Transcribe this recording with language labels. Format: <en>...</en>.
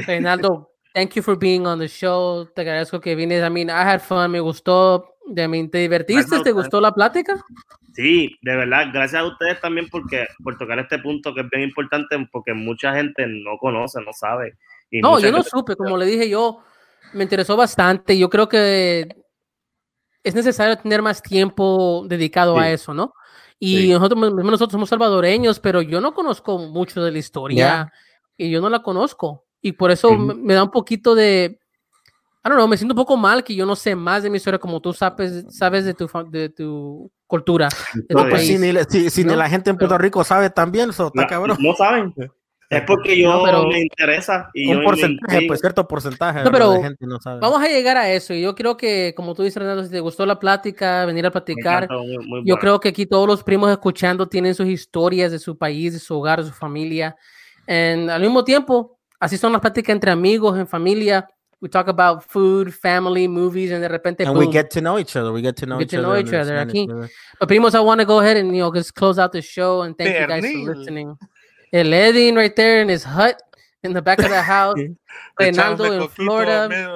<en>Renaldo, thank you for being on the show.</en> <es>Te agradezco que vienes.</es> <en>I mean, I had fun.</en> <es>Me gustó. ¿Te divertiste? Renaldo, ¿te gustó la plática? Sí, de verdad, gracias a ustedes también por tocar este punto que es bien importante, porque mucha gente no conoce, no sabe. No, yo no supe, como le dije, yo me interesó bastante. Yo creo que es necesario tener más tiempo dedicado a eso, ¿no? Y nosotros somos salvadoreños, pero yo no conozco mucho de la historia y yo no la conozco. Y por eso me da un poquito de, me siento un poco mal que yo no sé más de mi historia como tú sabes de tu cultura. No, pues si ni la gente en Puerto Rico sabe también, está cabrón. No saben. Es porque yo no, pero, me interesa. Y un yo porcentaje, pues cierto porcentaje. No, pero gente no sabe. Vamos a llegar a eso. Y yo creo que, como tú dices, Renato, si te gustó la plática, venir a platicar, encantó, muy yo bueno. Creo que aquí todos los primos escuchando tienen sus historias de su país, de su hogar, de su familia. And al mismo tiempo, así son las pláticas entre amigos, en familia.</es> <en>We talk about food, family, movies, and</en> <es>de repente,</es> <en>and boom, we get to know each other. We get to know each other.</en> <es>Aquí.</es> <en>But primos, I want to go ahead and, you know, just close out the show and thank you guys for listening. El Edwin right there in his hut in the back of the house. Fernando in Florida.</en>